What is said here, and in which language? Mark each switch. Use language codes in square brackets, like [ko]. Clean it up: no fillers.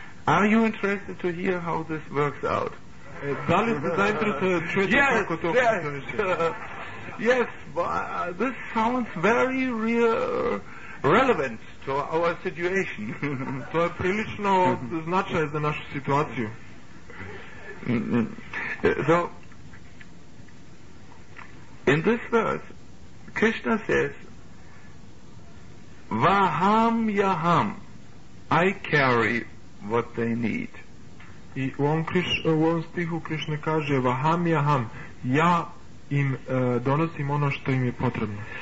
[en] Are you interested to hear how this works out? [sr] Da li ste zainteresovani čuti kako to funkcioniše? [en] Yes, this sounds very real, relevant to our situation. [sr] To je prilično značaj za našu situaciju. [en] So, in this verse, Krishna says, Vaham yaham, I carry what they need. [sr] I u ovom stihu Krishna kaže, Vaham yaham, ja im donosim ono što im je potrebno.